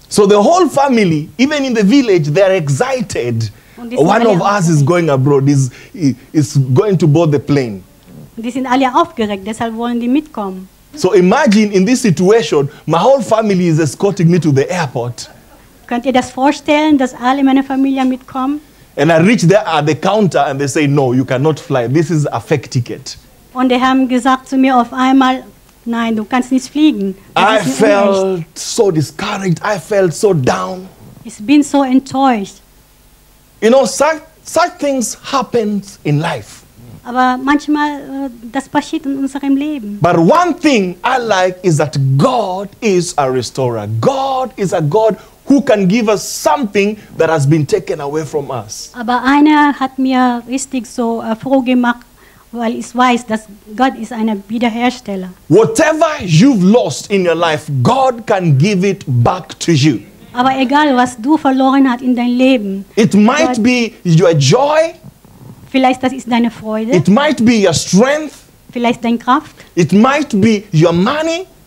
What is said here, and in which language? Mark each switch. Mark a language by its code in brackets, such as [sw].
[en] So the whole family, even in the village, they're excited. One of us is going abroad, is going to board the plane. [de] Die sind alle aufgeregt, deshalb wollen die mitkommen. [en] So imagine in this situation, my whole family is escorting me to the airport. [de] Könnt ihr das vorstellen, dass alle meine Familie mitkommen? [en] And I reach there at the counter and they say, no, you cannot fly. This is a fake ticket. [de] Und die haben gesagt zu mir auf einmal, nein, du kannst nicht fliegen. [en] I felt so discouraged. I felt so down. [de] Ich bin so enttäuscht. [en] You know, such things happen in life. [de] Aber manchmal, das passiert in unserem Leben. [en] But one thing I like is that God is a restorer. God is a God who can give us something that has been taken away from us. [de] Aber einer hat mir richtig so froh gemacht, weil ich weiß, dass Gott ist ein Wiederhersteller. [en] Whatever you've lost in your life, God can give it back to you. [de] Aber egal, was du verloren hast in deinem Leben. [en] It might be your joy. [de] Vielleicht das ist deine Freude. [en] It might be your strength. [de] Vielleicht deine Kraft. [en] It might be your money.